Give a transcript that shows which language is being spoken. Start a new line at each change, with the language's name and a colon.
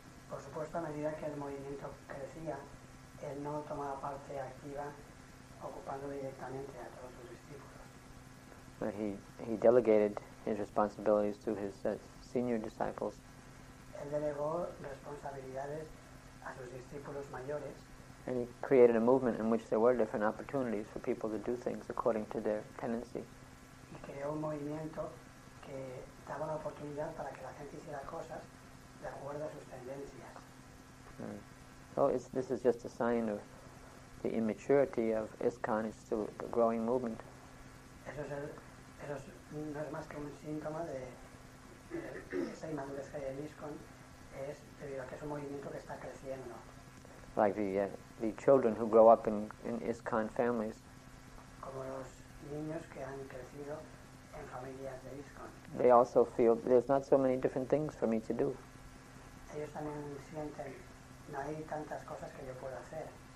Spanish: Por supuesto, a medida que el movimiento crecía, él no tomaba parte activa ocupando directamente a todos sus discípulos.
English: But he delegated his responsibilities to his senior disciples.
Spanish: Él delegó responsabilidades a sus discípulos mayores.
English: And he created a movement in which there were different opportunities for people to do things according to their tendency.
Spanish: Y creó un movimiento que daba la oportunidad para que la gente hiciera cosas de acuerdo a sus tendencias.
English: So this is just a sign of the immaturity of ISKCON. It's still a growing movement.
Spanish: Eso no es más que un síntoma de esa inmadurez que hay en ISKCON. Es debido a que es un movimiento que está creciendo.
English: Like the children who grow up in ISKCON families.
Spanish: Como los niños que han crecido en familias de ISKCON.
English: They also feel there's not so many different things for me to do.
Spanish: Ellos también sienten, no hay tantas cosas que yo pueda hacer.